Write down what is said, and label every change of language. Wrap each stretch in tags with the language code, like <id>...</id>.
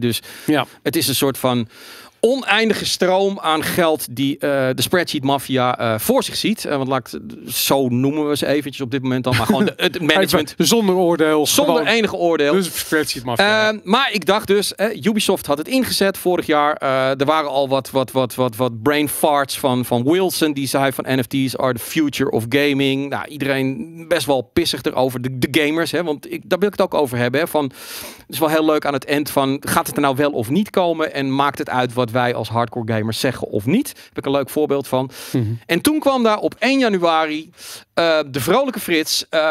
<nl>Dus ja, het is een soort van oneindige stroom aan geld die de spreadsheet maffia voor zich ziet. Want zo noemen we ze eventjes op dit moment dan. Maar gewoon het management. Zonder oordeel. Zonder gewoon enige oordeel. Dus spreadsheet maffia. Maar ik dacht dus, Ubisoft had het ingezet vorig jaar. Er waren al wat brain farts van Wilson. Die zei van</nl> <en>NFT's are the future of gaming.</en> <nl>Nou, iedereen best wel pissig erover. De gamers. Hè? Want daar wil ik het ook over hebben. Hè? Van, het is wel heel leuk aan het eind van, gaat het er nou wel of niet komen? En maakt het uit wat wij als hardcore gamers zeggen of niet. Daar heb ik een leuk voorbeeld van. En toen kwam daar op 1 januari de vrolijke Frits.</nl>